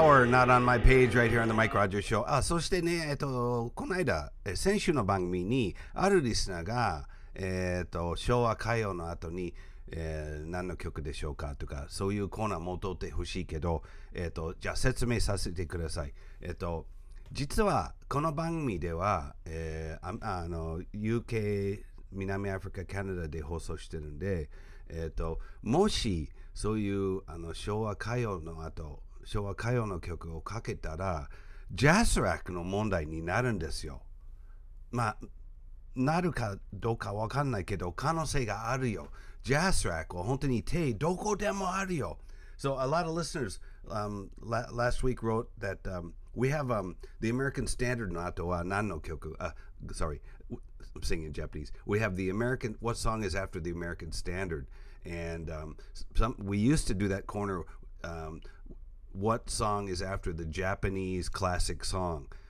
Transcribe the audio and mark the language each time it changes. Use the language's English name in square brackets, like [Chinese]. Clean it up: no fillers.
[English] Not on my page right here on the Mike Rogers Show. [Japanese] あ、そしてね、この間、先週の番組にあるリスナーが、昭和歌謡の後に、何の曲でしょうかとか、そういうコーナーも通ってほしいけど、じゃあ説明させてください。実はこの番組では、UK、南アフリカ、カナダで放送してるんで、もしそういうあの昭和歌謡の後、昭和歌謡の曲をかけたらジャスラックの問題になるんですよ。まあなるかどうか分かんないけど可能性があるよ。ジャスラックは本当に手どこでもあるよ。 [English] So a lot of listeners last week wrote that we have the American Standard [Japanese] の後は何の曲、 [English] sorry I'm singing in Japanese. We have the American, what song is after the American Standard, and we used to do that corner what song is after the Japanese classic song?